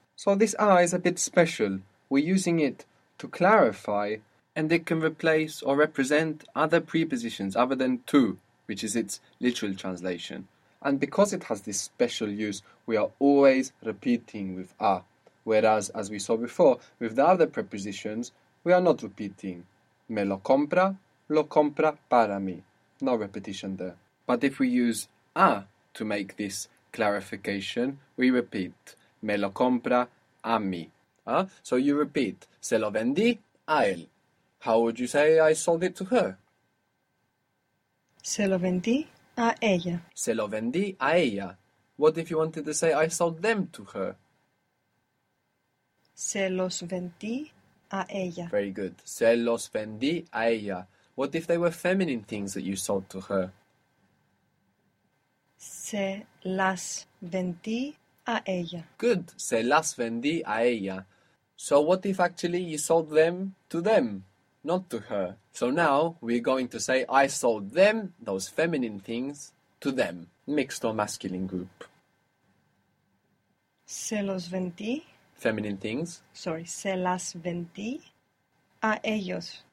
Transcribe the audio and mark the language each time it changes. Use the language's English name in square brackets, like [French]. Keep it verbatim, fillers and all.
[English] So this a is a bit special. We're using it to clarify, and it can replace or represent other prepositions other than to, which is its literal translation. And because it has this special use, we are always repeating with a, whereas, as we saw before, with the other prepositions, we are not repeating. [Spanish] Me lo compra, lo compra para mí. [English] No repetition there. But if we use a to make this clarification, we repeat. [Spanish] Me lo compra a mí. Uh, [English] so you repeat. [Spanish] Se lo vendí a él. [English] How would you say I sold it to her? [Spanish] Se lo vendí a ella. Se lo vendí a ella. [English] What if you wanted to say I sold them to her? [Spanish] Se los vendí a ella. [English] Very good. [Spanish] Se los vendí a ella. [English] What if they were feminine things that you sold to her? [Spanish] Se las vendí a ella. [English] Good. [Spanish] Se las vendí a ella. [English] So what if actually you sold them to them, not to her? So now we're going to say I sold them, those feminine things, to them, mixed or masculine group. [Spanish] Se los vendí. [English] Feminine things. Sorry, [Spanish] se las vendí a ellos.